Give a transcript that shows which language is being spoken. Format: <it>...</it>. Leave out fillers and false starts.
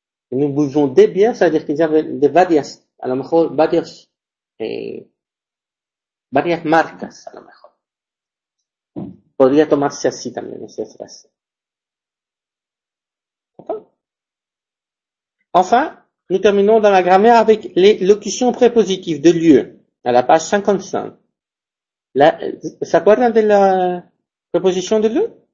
<fr>Nous buvons de bière, ça veut dire qu'il y a de</fr> <es>varias, a lo mejor varios, varias marcas, a lo mejor. Podría tomarse así también esa frase.</es> <fr>Enfin, nous terminons dans la grammaire avec les locutions prépositives de lieu, à la page 55. S'acuerdan de la préposition de lieu?</fr>